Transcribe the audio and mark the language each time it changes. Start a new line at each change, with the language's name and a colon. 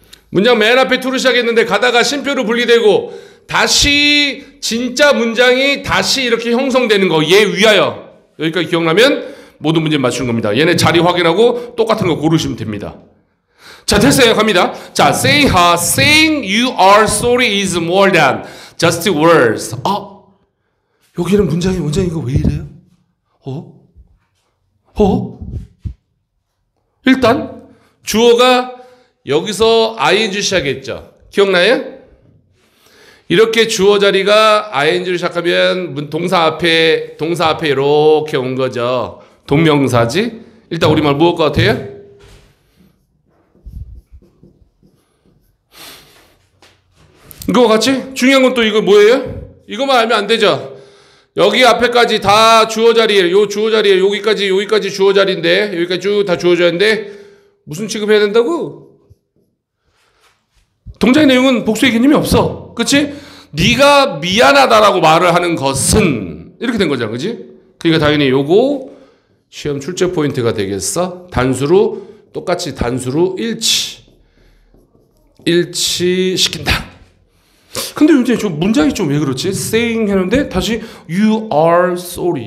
Korean: 문장 맨 앞에 to로 시작했는데 가다가 쉼표로 분리되고 다시 진짜 문장이 다시 이렇게 형성되는 거. 얘 위하여. 여기까지 기억나면 모든 문제 맞추는 겁니다. 얘네 자리 확인하고 똑같은 거 고르시면 됩니다. 자, 됐어요. 갑니다.
English: 자, saying you are sorry is more than just words.
Korean: 여기는 문장이 언제 이거 왜 이래요? 일단 주어가 여기서 ing 시작했죠. 기억나요? 이렇게 주어 자리가 ing를 시작하면 동사 앞에 이렇게 온 거죠. 동명사지? 일단 우리말 무엇 같아요? 이거 같이? 중요한 건 또 이거 뭐예요? 이거만 알면 안 되죠. 여기 앞에까지 다 주어 자리에, 요 주어 자리에, 여기까지 주어 자리인데, 여기까지 쭉 다 주어 자리인데, 무슨 취급해야 된다고? 동작의 내용은 복수의 개념이 없어. 그치? 네가 미안하다라고 말을 하는 것은 이렇게 된 거잖아. 그치? 그러니까 당연히 요거 시험 출제 포인트가 되겠어. 똑같이 단수로 일치시킨다. 근데 요즘 저 문장이 좀 왜 그렇지?
English: saying
Korean: 했는데 다시
English: you are sorry.